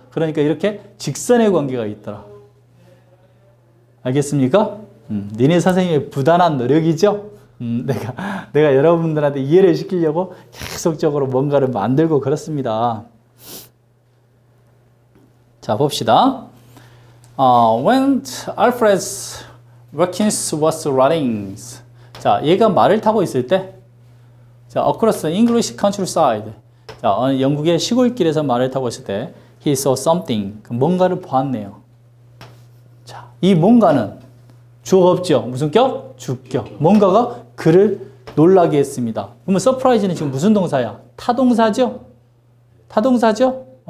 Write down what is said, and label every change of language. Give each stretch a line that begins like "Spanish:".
Korean: 그러니까 이렇게 직선의 관계가 있더라. 알겠습니까? 니네 선생님의 부단한 노력이죠? 내가 여러분들한테 이해를 시키려고 계속적으로 뭔가를 만들고 그렇습니다. 자, 봅시다.
English: When Alfred Watkins was running.
Korean: 자, 얘가 말을 타고 있을 때.
English: 자, across the English countryside.
Korean: 자, 영국의 시골길에서 말을 타고 있을 때.
English: He saw something.
Korean: 뭔가를 보았네요. 자, 이 뭔가는 주어가 없죠? 무슨 격? 주격. 뭔가가 그를 놀라게 했습니다. 그러면 서프라이즈는 지금 무슨 동사야? 타동사죠? 타동사죠?